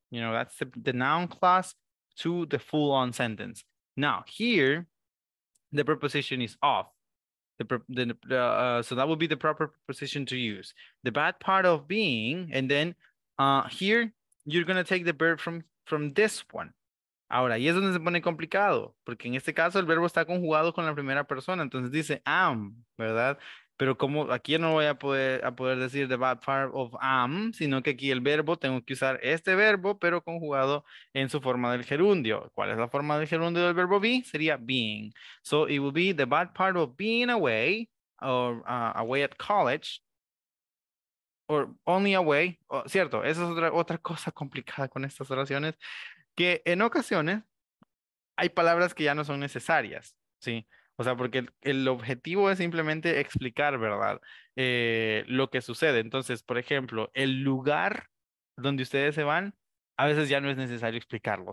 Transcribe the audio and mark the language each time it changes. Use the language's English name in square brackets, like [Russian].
[English] You know, that's the noun clause to the full-on sentence. Now here, the preposition is of. So that would be the proper preposition to use. The bad part of being, and then here, you're going to take the verb from this one. [Spanish] Ahora, y es donde se pone complicado, porque en este caso el verbo está conjugado con la primera persona, entonces dice am, ¿verdad? Pero como aquí no voy a poder decir [English] the bad part of am, [Spanish] sino que aquí el verbo, tengo que usar este verbo, pero conjugado en su forma del gerundio. ¿Cuál es la forma del gerundio del verbo be? Sería being. [English] So it would be the bad part of being away, or away at college, or only away. [Spanish] Oh, cierto, esa es otra cosa complicada con estas oraciones, que en ocasiones hay palabras que ya no son necesarias, ¿sí? O sea, porque el objetivo es simplemente explicar, ¿verdad? Lo que sucede. Entonces, por ejemplo, el lugar donde ustedes se van, a veces ya no es necesario explicarlo.